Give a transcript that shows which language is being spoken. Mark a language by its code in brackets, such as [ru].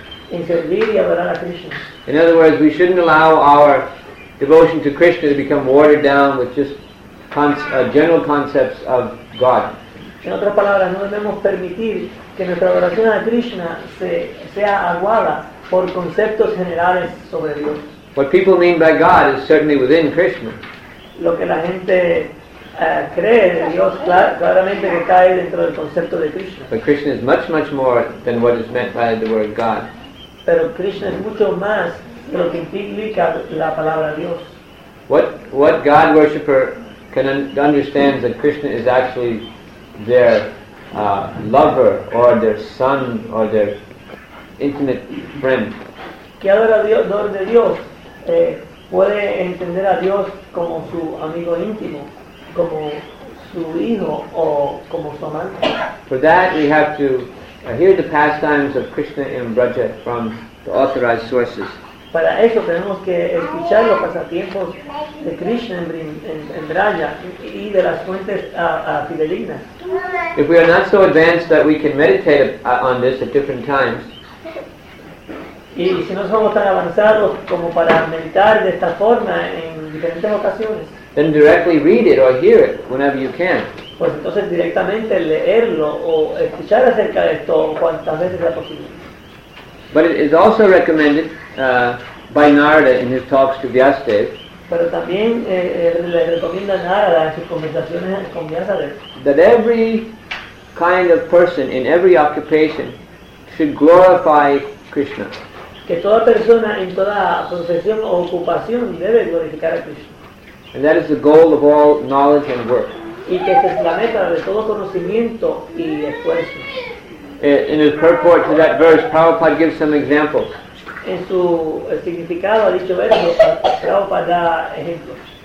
[en] In other words, we shouldn't allow our devotion to Krishna to become watered down with just general concepts of God. [es] En otras palabras, no debemos permitir que nuestra adoración a Krishna sea aguada por conceptos generales sobre Dios. [en] What people mean by God is certainly within Krishna. [es] Lo que la gente cree en Dios claramente que cae dentro del concepto de Krishna. [en] But Krishna is much, much more than what is meant by the word God. [es] Pero Krishna es mucho más de lo que implica la palabra Dios. [en] What God worshipper can understand that Krishna is actually their lover or their son or their intimate friend? [es] ¿Qué adorador de Dios puede entender a Dios como su amigo íntimo? como su hijo o como su amante. [en] For that we have to hear the pastimes of Krishna in Braja from the authorized sources. [es] Para eso tenemos que escuchar los pasatiempos de Krishna en Braja y de las fuentes fidedignas. [en] If we are not so advanced that we can meditate on this at different times, [es] y si no somos tan avanzados como para meditar de esta forma en diferentes ocasiones, [en] then directly read it or hear it whenever you can. [es] Pues entonces directamente leerlo o escuchar acerca de esto cuantas veces sea posible. [en] But it is also recommended by Narada in his talks to Vyasadev. [es] Pero también le recomienda Narada en sus conversaciones con Vyasadev. [en] That every kind of person in every occupation should glorify Krishna. [es] Que toda persona en toda profesión o ocupación debe glorificar a Krishna. [en] And that is the goal of all knowledge and work. [es] Y que esa es la meta de todo conocimiento y esfuerzo. [en] In his purport to that verse, Prabhupada gives some examples. [es] En su significado ha dicho verso, Prabhupada da ejemplos.